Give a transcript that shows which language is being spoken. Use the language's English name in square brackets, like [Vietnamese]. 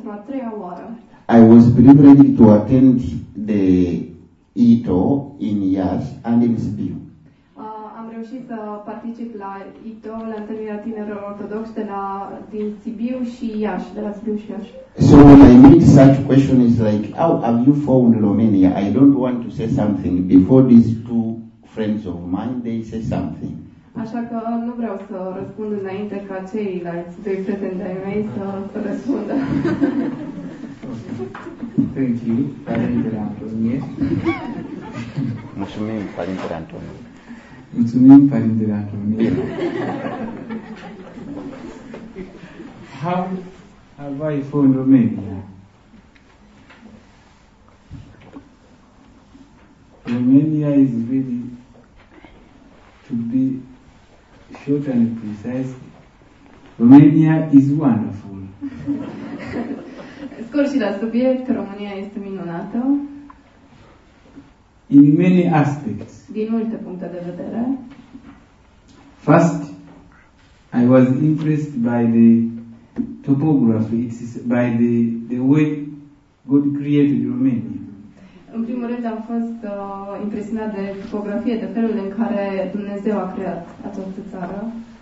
[English] I was prepared to attend the ITO in Iași and in Sibiu. [Romanian] Am reușit să particip la ITO, la întâlnirea tinerilor ortodoxi de la din Sibiu și Iași, de la Sibiu și Iași. [English] So when I meet such question is like, how have you found Romania? I don't want to say something before these two friends of mine, they say something. [Romanian] Așa că nu vreau să răspund înainte ca ceilalți doi prezenți ai mei să răspundă. [English] Thank you, Părintele Antonie. [Romanian] Mulțumim, Părintele Antonie. Mulțumim, Părintele Antonie. [English] How have I found Romania? Romania is really to be short and precise, Romania is wonderful. [Romanian] Scurt și la subiect, România este minunată. [English] In many aspects. [Romanian] Din multe puncte de vedere. [English] First, I was impressed by the topography, by the way God created Romania. [Romanian] În primul rând am fost impresionat de topografie, de felul în care Dumnezeu a creat această țară.